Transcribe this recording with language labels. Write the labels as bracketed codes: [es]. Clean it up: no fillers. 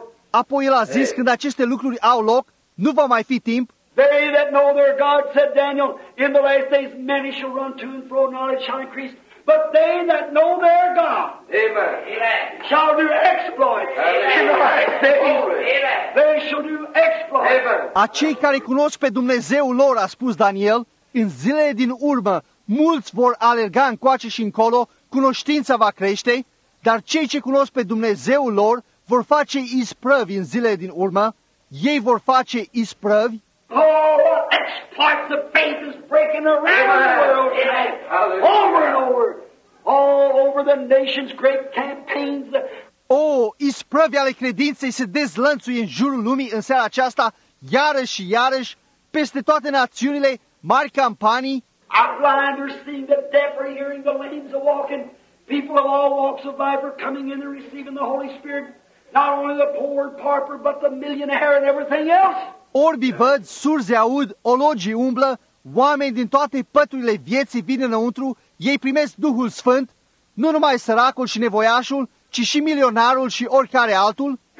[ro] Apoi el a zis, când aceste lucruri au loc, Nu va mai fi timp. [en] They that know their God, said Daniel, in the last days many shall run to and fro, knowledge shall increase. But they that know their God, amen, shall do exploits, amen, in the last days. Amen. They shall do exploits. Amen. [ro] Acei care cunosc pe Dumnezeul lor, a spus Daniel, în zilele din urmă, mulți vor alerga încoace și încolo, cunoștința va crește, dar cei ce cunosc pe Dumnezeul lor vor face isprăvi în zilele din urmă, ei vor face isprăvi. [en] Oh, what exploits the faith is breaking around the world tonight. Over and over. All over the nation's great campaigns. [ro] Oh, isprăvi ale credinței se dezlănțuie în jurul lumii în seara aceasta, iarăși și iarăși, peste toate națiunile, mari campanii. [en] Our blind are seeing, the deaf are hearing, the lame are walking. People of all walks of life are coming in and receiving the Holy Spirit. Not only the poor and pauper, but the millionaire and everything else. [ro] Orbii văd, surzi aud, ologii umblă, oameni din toate păturile vieții vin înăuntru, ei primesc Duhul Sfânt, nu numai săracul și nevoiașul, ci și milionarul și oricare altul.